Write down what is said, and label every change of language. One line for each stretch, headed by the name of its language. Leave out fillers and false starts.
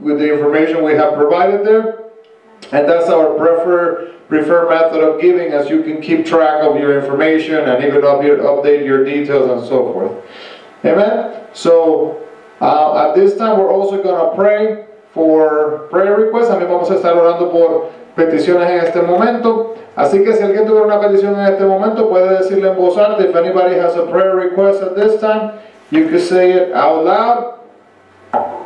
English: with the information we have provided there. And that's our preferred method of giving, as you can keep track of your information and even update your details and so forth. Amen? So, at this time, we're also going to pray for prayer requests.
Spanish: También vamos a estar orando por peticiones en este momento. Así que si alguien tuviera una petición en este momento, puede decirle en voz alta.
English: If anybody has a prayer request at this time, you can say it out loud.